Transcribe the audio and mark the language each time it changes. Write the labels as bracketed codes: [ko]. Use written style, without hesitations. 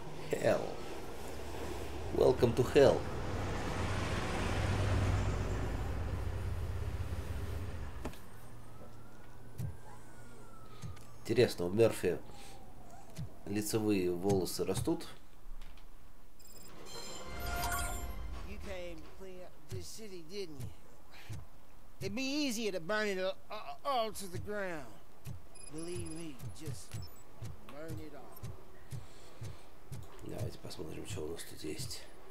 [en] Hell. Welcome to hell. [ru] Интересно, у Мерфи лицевые волосы растут? [en] You came to clean up this city, didn't you? It'd be easier to burn it all to the ground. Believe me, just burn it all. [ru] Давайте посмотрим, что у нас тут есть.